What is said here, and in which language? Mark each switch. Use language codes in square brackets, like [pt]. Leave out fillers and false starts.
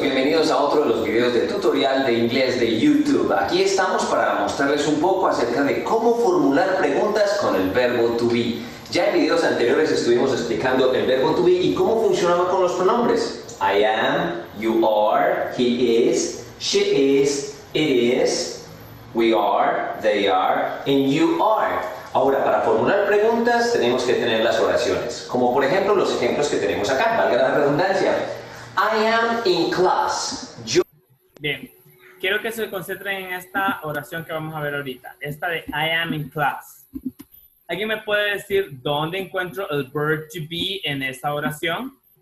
[es] Bienvenidos a otro de los videos de tutorial de inglés de YouTube. Aquí estamos para mostrarles un poco acerca de cómo formular preguntas con el verbo to be. Ya en videos anteriores estuvimos explicando el verbo to be y cómo funcionaba con los pronombres. [en] I am, you are, he is, she is, it is, we are, they are, and you are. [es] Ahora, para formular preguntas, tenemos que tener las oraciones. Como por ejemplo, los ejemplos que tenemos acá, valga la redundancia. [en] I am in class. Yo... [es] Bien, quiero que se concentren en esta oración que vamos a ver ahorita. Esta de [en] I am in class. [es] ¿Alguien me puede decir dónde encuentro el verb to be en esa oración?